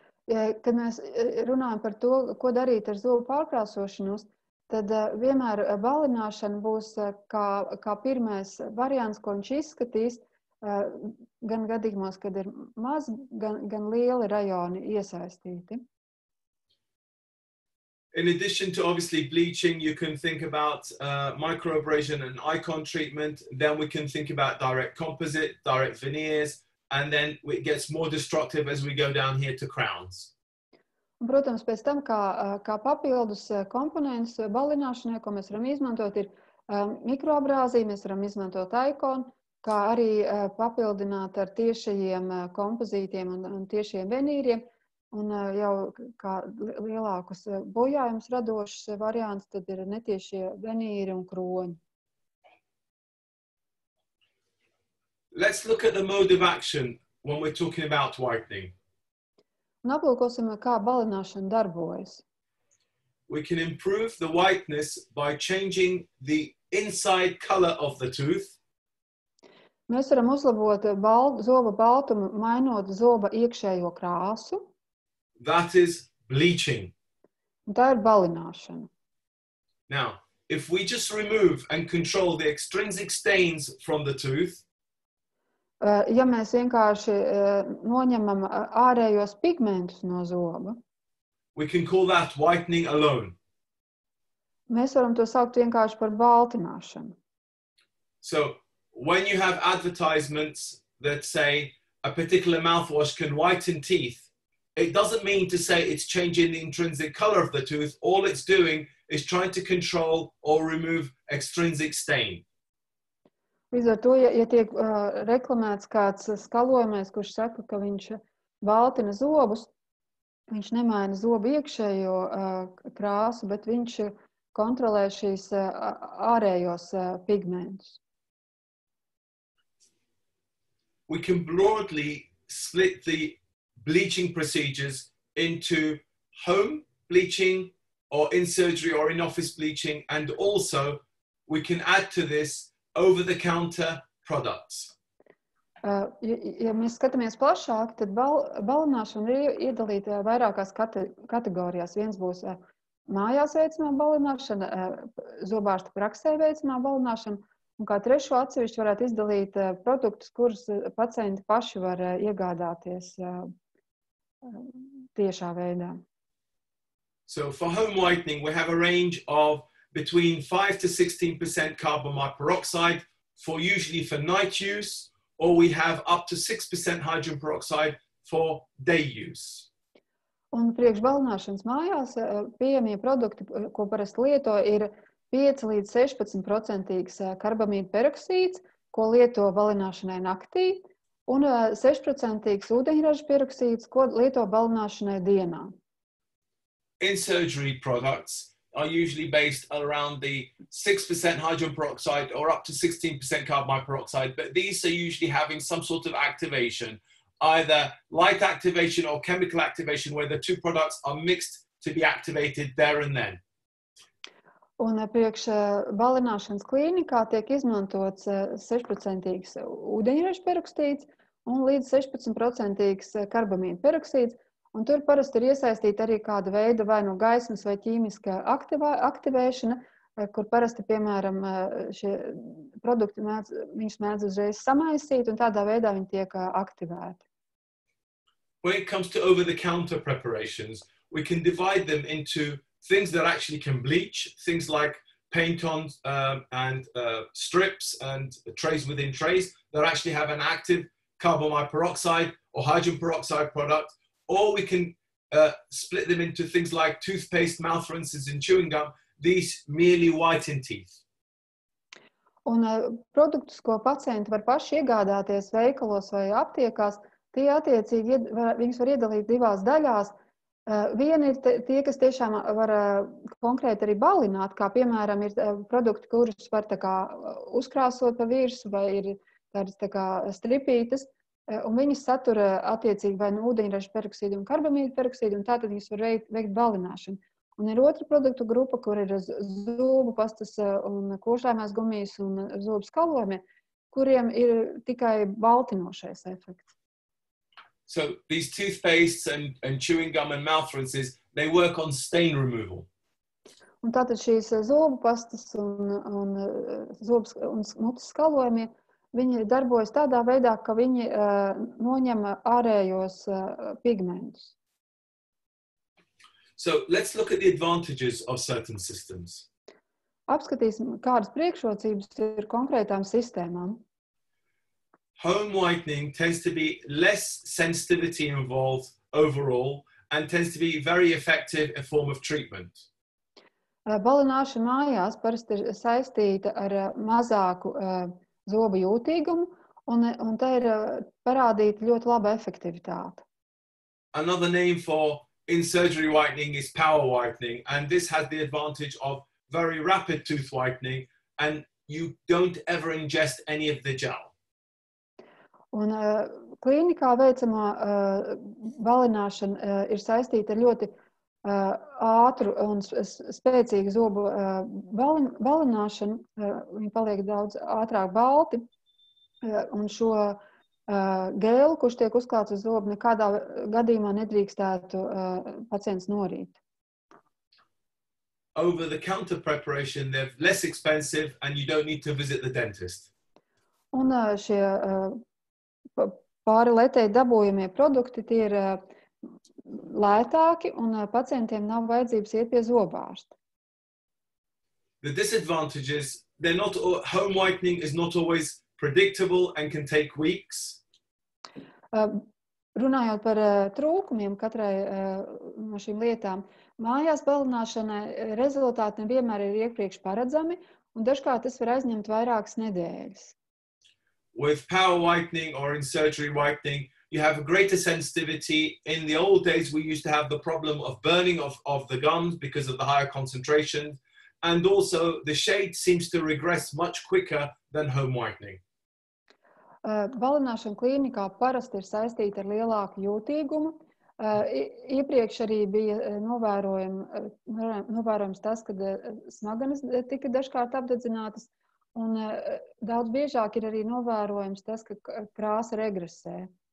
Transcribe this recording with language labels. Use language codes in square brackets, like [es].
[lv] Kad mēs runājam par to, ko darīt ar zobu pārkrāsošanos, tad vienmēr balināšana būs kā, kā pirmais variants, ko viņš izskatīs, gan gadījumos, kad ir maz, gan, gan lieli rajoni iesaistīti. [en] In addition to obviously bleaching, you can think about microabrasion and icon treatment. Then we can think about direct composite, direct veneers, and then it gets more destructive as we go down here to crowns. [lv] Protams, pēc tam, kā, kā papildus komponents balināšanai, ko mēs varam izmantot, ir mikroabrāzija, mēs varam izmantot icon, kā arī papildināt ar tiešajiem kompozītiem un, un tiešajiem venīriem. Un jau kā lielākus bojājumus radošs variants, tad ir netiešie venīri un kroņi. [en] Let's look at the mode of action when we're talking about whitening. [lv] Un aplūkosim, kā balināšana darbojas. [en] We can improve the whiteness by changing the inside color of the tooth. [lv] Mēs varam uzlabot zoba baltumu, mainot zoba iekšējo krāsu. [en] That is bleaching. [lv] Tā ir balināšana. [en] Now, if we just remove and control the extrinsic stains from the tooth, [lv] ja mēs vienkārši noņemam ārējos pigmentus no zoba, [en] we can call that whitening alone. [lv] Mēs varam to saukt vienkārši par baltināšanu. [en] So, when you have advertisements that say a particular mouthwash can whiten teeth, it doesn't mean to say it's changing the intrinsic color of the tooth. All it's doing is trying to control or remove extrinsic stain. [lv] Līdz ar to, ja, ja tiek reklamēts kāds skalojumais, kurš saka, ka viņš baltina zobus, viņš nemaina zobu iekšējo krāsu, bet viņš kontrolē šīs ārējos pigmentus. [en] We can broadly split the bleaching procedures into home bleaching or in surgery or in office bleaching, and also we can add to this over-the-counter products. [lv] Ja mēs skatāmies plašāk, tad balināšana ir iedalīta vairākās kategorijās. Viens būs mājās veicamā balināšana, zobārsta praksē veicamā balināšana, un kā trešo atsevišķi varētu izdalīt produktus, kurus pacienti paši var iegādāties tiešā veidā. [en] So for home whitening, we have a range of between 5 to 16% carbon microperoxide for usually for night use, or we have up to 6% hydrogen peroxide for day use. [lv] Un priekš balināšanas mājās pieejamie produkti, ko parasti lieto, ir 5 līdz 16% karbamīda peroksīds, ko lieto balināšanai naktī, un 6% ūdeņraža peroksīds, ko lieto balināšanai dienā. [en] In surgery products are usually based around the 6% hydrogen peroxide or up to 16% carbon microperoxide, but these are usually having some sort of activation, either light activation or chemical activation, where the two products are mixed to be activated there and then. [lv] Un priekš balināšanas klīnikā tiek izmantots 6% ūdeņraža peroksīds un līdz 16% karbamīda peroksīds, un tur parasti ir iesaistīta arī kāda veida vai no gaismas vai ķīmiska aktivēšana, kur parasti, piemēram, šie produkti mēdz, viņš mēdz uzreiz samaisīt, un tādā veidā viņi tiek aktivēti. [en] When it comes to over-the-counter preparations, we can divide them into things that actually can bleach, things like paint on and strips and trays within trays that actually have an active carbon microperoxide or hydrogen peroxide product, or we can split them into things like toothpaste, mouth rinses and chewing gum. These merely whiten teeth. [lv] Un produktus, ko pacienti var paši iegādāties veikalos vai aptiekās, tie attiecīgi viņus var iedalīt divās daļās. Viena ir tie, kas tiešām var konkrēti arī balināt, kā piemēram ir produkti, kurus var tā kā uzkrāsot pa virsu vai ir tādas tā kā stripītas, un viņas satura attiecīgi vai nu ūdeņraža peroksīdu un karbamīda peroksīdu, un tātad viņas var veikt balināšanu. Un ir otra produktu grupa, kur ir zūbu pastas un košļājumās gumijas un zūbu skalojumie, kuriem ir tikai baltinošais efekts. [en] So these toothpastes and chewing gum and mouth rinses, they work on stain removal. [lv] Un tātad šīs zobu pastas un zobs un smuts skalojumi, viņi darbojas tādā veidā, ka viņi noņem ārējos pigmentus. [en] So let's look at the advantages of certain systems. [lv] Apskatīsim, kādas priekšrocības ir konkrētām sistēmām. [en] Home whitening tends to be less sensitivity involved overall and tends to be very effective a form of treatment. [lv] Balināšana mājās parasti ir saistīta ar mazāku zobu jūtīgumu un tā ir parādīta ļoti laba efektivitāte. [en] Another name for in surgery whitening is power whitening, and this has the advantage of very rapid tooth whitening and you don't ever ingest any of the gel. [lv] Un klīnikā veicamā balināšana ir saistīta ar ļoti ātru un spēcīgu zobu balināšanu. Viņi paliek daudz ātrāk balti. Un šo gēlu, kurš tiek uzklāts uz zobu, nekādā gadījumā nedrīkstētu pacients norīt. [en] Over the counter preparation, they're less expensive and you don't need to visit the dentist. [lv] Un šie pāri lētēji dabojamie produkti, tie ir lētāki un pacientiem nav vajadzības iet pie zobārsta. [en] The disadvantages, they're not, home whitening is not always predictable and can take weeks. [lv] Runājot par trūkumiem katrai no šīm lietām, mājās balināšanai rezultāti nevienmēr ir iepriekš paredzami un dažkārt tas var aizņemt vairākas nedēļas. [en] With power whitening or in surgery whitening, you have a greater sensitivity. In the old days, we used to have the problem of burning of the gums because of the higher concentration. And also, the shade seems to regress much quicker than home whitening. [lv] Balināšana klīnikā parasti ir saistīta ar lielāku jūtīgumu. Iepriekš arī bija novērojams tas, kad smaganas tika dažkārt apdedzinātas. Un daudz biežāk ir arī novērojams tas, ka krāsa regresē.